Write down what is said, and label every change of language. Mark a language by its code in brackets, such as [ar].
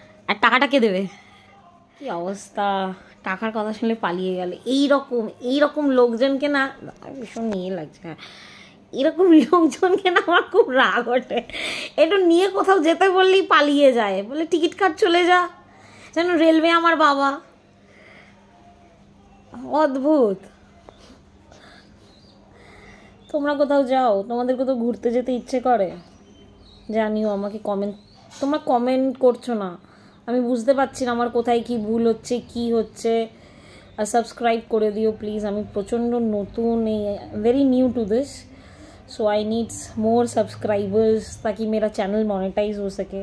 [bn] टाकाटा के देवे कि अवस्था. টাকার কথা শুনলে পালিয়ে গেল. এইরকম এইরকম লোকজনকে না ভীষণ নিয়ে লাগছে. এরকম লোকজনকে না আমার খুব রাগ ওঠে. একটু নিয়ে কোথাও যেতে বললেই পালিয়ে যায়, বলে টিকিট কাট চলে যা. যেন রেলওয়ে আমার বাবা. অদ্ভুত. তোমরা কোথাও যাও, তোমাদের কোথাও ঘুরতে যেতে ইচ্ছে করে জানিও আমাকে. কমেন্ট তোমরা কমেন্ট করছো না, আমি বুঝতে পারছি না আমার কোথায় কি ভুল হচ্ছে কি হচ্ছে. আর সাবস্ক্রাইব করে দিও প্লিজ, আমি প্রচণ্ড নতুন, [en] very new to this, so I needs more subscribers [hi] ताकि मेरा चैनल मोनेटाइज हो सके.